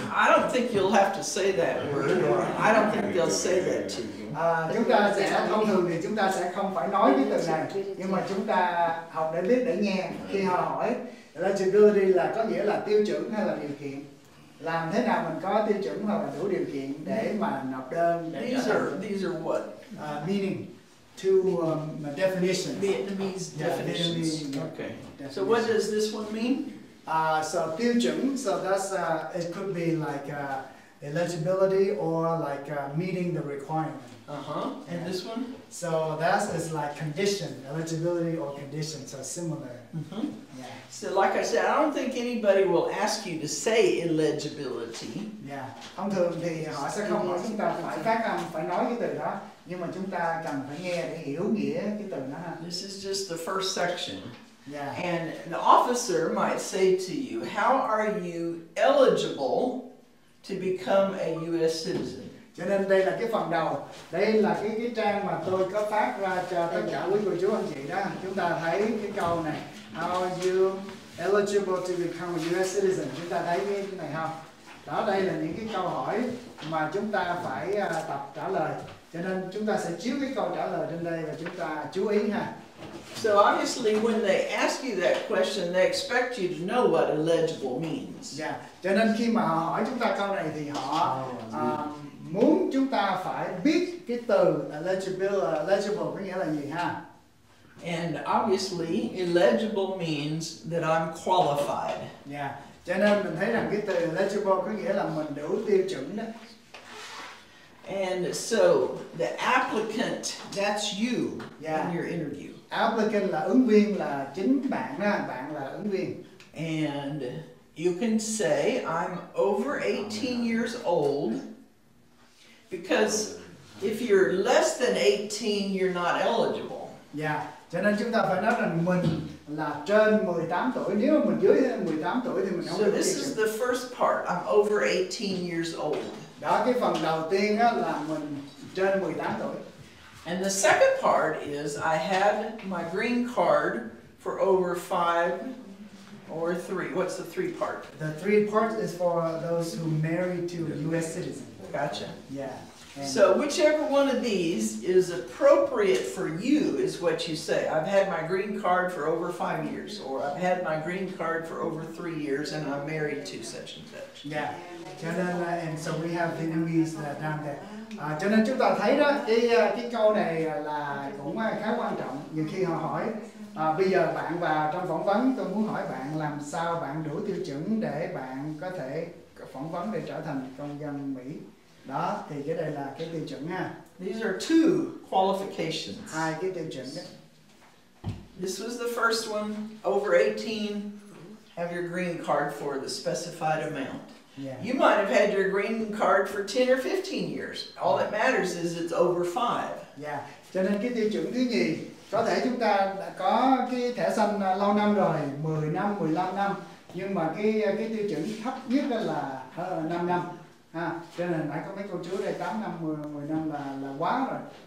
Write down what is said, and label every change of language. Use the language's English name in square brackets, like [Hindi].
[English] I don't think you'll have to say that word, or I don't think they'll say that to you. [Vietnamese] Chúng ta sẽ thông thường thì chúng ta sẽ không phải nói cái từ này, nhưng mà chúng ta học để biết, để nghe khi họ hỏi. Eligibility là có nghĩa là tiêu chuẩn hay là điều kiện. Làm thế nào mình có tiêu chuẩn hoặc là đủ điều kiện để mà nộp đơn. [English] These are what? Meaning to definitions. Vietnamese definitions. Yeah, Vietnamese, okay. Definitions. So what does this one mean? So tiêu chuẩn, so that's it could be like eligibility or like meeting the requirement. Uh-huh. And this one? So that is like condition, eligibility or conditions are similar. Mm-hmm. Yeah. So like I said, I don't think anybody will ask you to say illegibility. Yeah. [Vietnamese] Thông thường thì họ sẽ không hỏi chúng ta phải phát âm, phải nói cái từ đó. Nhưng mà chúng ta cần phải nghe để hiểu nghĩa cái từ đó. [English] This is just the first section. Yeah. And an officer might say to you, how are you eligible to become a U.S. citizen? [Vietnamese] Cho nên đây là cái phần đầu. Đây là cái trang mà tôi có phát ra cho tất cả quý cô chú anh chị đó. Chúng ta thấy cái câu này. [English] How are you eligible to become a U.S. citizen? [Vietnamese] Chúng ta thấy cái này không? Đó, đây là những cái câu hỏi mà chúng ta phải tập trả lời. Cho nên chúng ta sẽ chiếu cái câu trả lời trên đây và chúng ta chú ý ha. [English] So obviously when they ask you that question, they expect you to know what eligible means. Yeah. [Vietnamese] Cho nên khi mà họ hỏi chúng ta câu này thì họ muốn chúng ta phải biết cái từ eligible có nghĩa là gì ha. [English] And obviously eligible means that I'm qualified. Yeah. [Vietnamese] Cho nên mình thấy rằng cái từ eligible có nghĩa là mình đủ tiêu chuẩn đó. [English] And so the applicant, that's you in your interview. [Vietnamese] Applicant là ứng viên, là chính bạn đó, bạn là ứng viên. [English] And you can say I'm over 18 years old, because if you're less than 18, you're not eligible. Yeah. [Vietnamese] Cho nên chúng ta phải nói rằng mình là trên 18 tuổi. Nếu mình dưới 18 tuổi thì mình không được. [English] So this is the first part. I'm over 18 years old. [Vietnamese] Đó, cái phần đầu tiên á là mình trên 18 tuổi. [English] And the second part is I had my green card for over 5 or 3. What's the three part? The three part is for those who married to a U.S. citizen. Gotcha. Yeah. And so whichever one of these is appropriate for you is what you say. I've had my green card for over 5 years, or I've had my green card for over 3 years, and I'm married to such and such. Yeah. [Vietnamese] Cho nên là, [English] and so we have Vietnamese that down there. [Vietnamese] Cho nên chúng ta thấy đó, cái câu này là cũng khá quan trọng. Nhiều khi họ hỏi, bây giờ bạn vào trong phỏng vấn, tôi muốn hỏi bạn làm sao bạn đủ tiêu chuẩn để bạn có thể phỏng vấn để trở thành công dân Mỹ. Đó, thì cái đây là cái tiêu chuẩn ha. [English] These are two qualifications. [Vietnamese] Hai cái tiêu chuẩn đó. [English] This was the first one, over 18, have your green card for the specified amount. Yeah. You might have had your green card for 10 or 15 years. All that matters is it's over 5. Yeah. [Vietnamese] Cho nên cái tiêu chuẩn thứ nhì, có thể chúng ta đã có cái thẻ xanh lâu năm rồi, 10 năm, 15 năm. Nhưng mà cái tiêu chuẩn thấp nhất đó là 5 năm. Ha. Cho nên nãy có mấy câu trước đây, 8 năm, 10 năm là quá rồi.